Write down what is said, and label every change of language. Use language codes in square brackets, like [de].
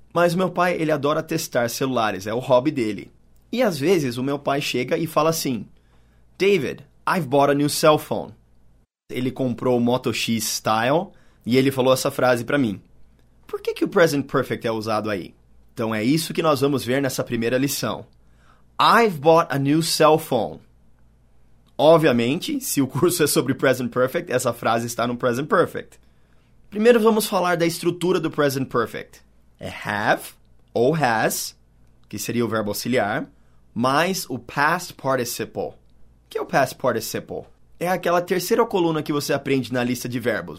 [pt] Mas meu pai, ele adora testar celulares, é o hobby dele. E às vezes o meu pai chega e fala assim, David, [en] I've bought a new cell phone. [pt] Ele comprou o Moto X Style e ele falou essa frase para mim. Por que que o present perfect é usado aí? Então é isso que nós vamos ver nessa primeira lição. [en] I've bought a new cell phone. [pt] Obviamente, se o curso é sobre present perfect, essa frase está no present perfect. Primeiro vamos falar da estrutura do present perfect. É have ou has, que seria o verbo auxiliar, mais o past participle. O que é o past participle? É aquela terceira coluna que você aprende na lista de verbos.